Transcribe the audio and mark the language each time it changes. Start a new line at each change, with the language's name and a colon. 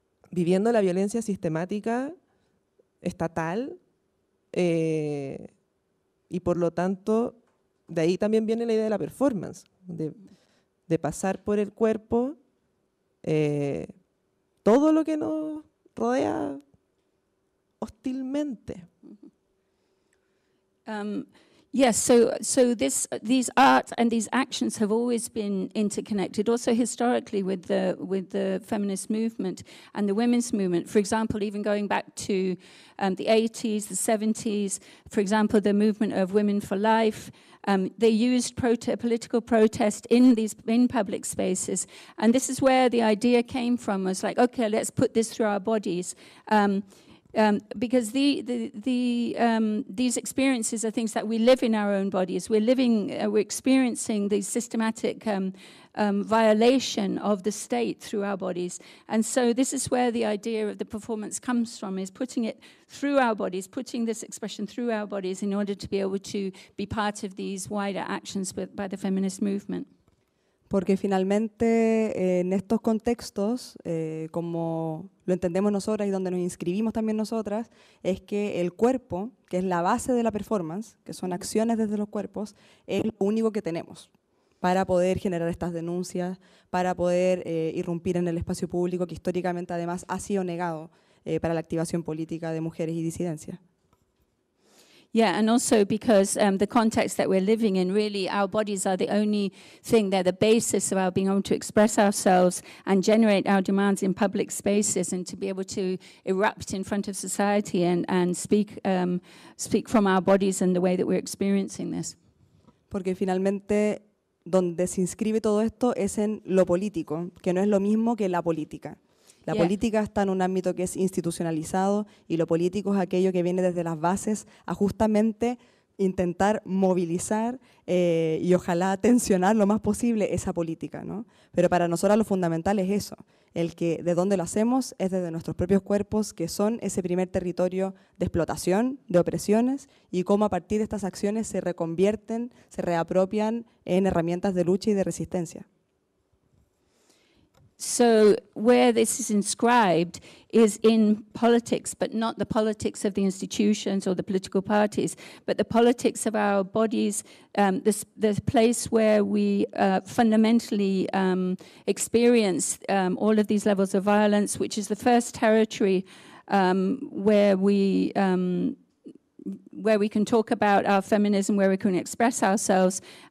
Spanish: viviendo la violencia sistemática estatal, y por lo tanto, de ahí también viene la idea de la performance, de pasar por el cuerpo todo lo que nos rodea hostilmente.
English: Yes, so these art and these actions have always been interconnected, also historically with the feminist movement and the women's movement. For example, even going back to the 80s, the 70s, for example, the movement of Women for Life, they used political protest in public spaces. And this is where the idea came from, was like, okay, let's put this through our bodies. Because these experiences are things that we live in our own bodies. We're experiencing the systematic violation of the state through our bodies. And so this is where the idea of the performance comes from, is putting it through our bodies, putting this expression through our bodies in order to be able to be part of these wider actions by the feminist movement.
Spanish: Porque finalmente en estos contextos, como lo entendemos nosotras y donde nos inscribimos también nosotras, es que el cuerpo, que es la base de la performance, que son acciones desde los cuerpos, es lo único que tenemos para poder generar estas denuncias, para poder irrumpir en el espacio público que históricamente además ha sido negado para la activación política de mujeres y disidencia.
English: Yeah, and also because the context that we're living in, really our bodies are the only thing, they're the basis of our being able to express ourselves and generate our demands in public spaces and to be able to erupt in front of society and speak from our bodies and the way that we're experiencing this.
Spanish: Porque finalmente donde se inscribe todo esto es en lo político, que no es lo mismo que la política. La
English: yeah.
Spanish: política está en un ámbito que es institucionalizado y lo político es aquello que viene desde las bases a justamente intentar movilizar y ojalá tensionar lo más posible esa política, ¿no? Pero para nosotras lo fundamental es eso, el que de dónde lo hacemos es desde nuestros propios cuerpos, que son ese primer territorio de explotación, de opresiones, y cómo a partir de estas acciones se reconvierten, se reapropian en herramientas de lucha y de resistencia.
English: So where this is inscribed is in politics, but not the politics of the institutions or the political parties, but the politics of our bodies, the place where we fundamentally experience all of these levels of violence, which is the first territory where we can talk about our feminism, where we can express ourselves.